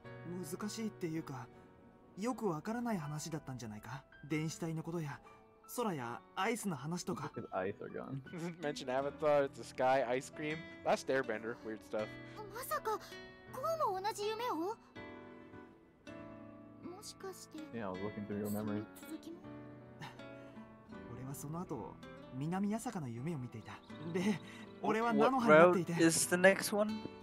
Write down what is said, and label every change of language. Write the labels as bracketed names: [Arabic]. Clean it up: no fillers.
[Japanese] 難しいっていうか、よくわからない話だったんじゃないか。電子体のことや、空やアイスの話とか。 [English] Ice are gone. Mention Avatar, it's the sky, ice cream, last Airbender, weird stuff. [Japanese] まさか、こうも同じ夢を？もしかして。 [English] Yeah, I was looking through your memory. [Japanese] 俺はその後、南八坂の夢を見ていた。で、俺は菜の花になっていて。 [English] What route is the next one?